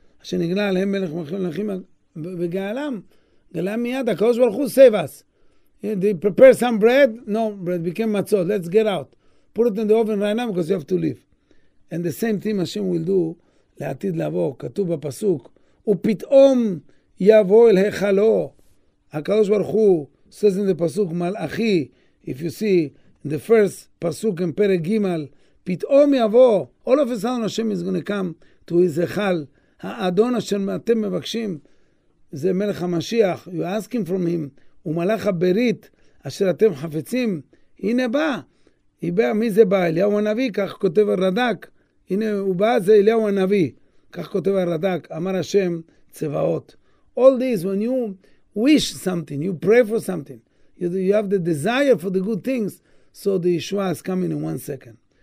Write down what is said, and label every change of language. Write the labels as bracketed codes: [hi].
[he] שנגלה עליהם מלך מלכים ומלכים בגאלם. גאלם מיד, הקדוש ברוך הוא, [en] save us. They prepare some bread. No, bread became matzot. Let's get out. Put it in the oven right now because you have to leave. And the same thing Hashem will do [he] לעתיד לבוא, כתוב בפסוק, ופתאום יבוא אל היכלו. [en] הקדוש ברוך הוא says in the פסוק, מלאכי, if you see in the first פסוק in פרק ג', [he] פתאום יבוא, [en] all of a sudden Hashem is going to come to his היכל, [he] האדון אשר אתם מבקשים זה מלך המשיח. [en] You ask him from him. [he] הוא מלך הברית אשר אתם חפצים. הנה בא. היבא, מי זה בא? אליהו הנביא. כך כותב הרד"ק. הנה הוא בא, זה אליהו הנביא. כך כותב הרד"ק. אמר השם צבאות. [en] All this, when you wish something, you pray for something, you have the desire for the good things, so the Yeshua is coming in 1 second.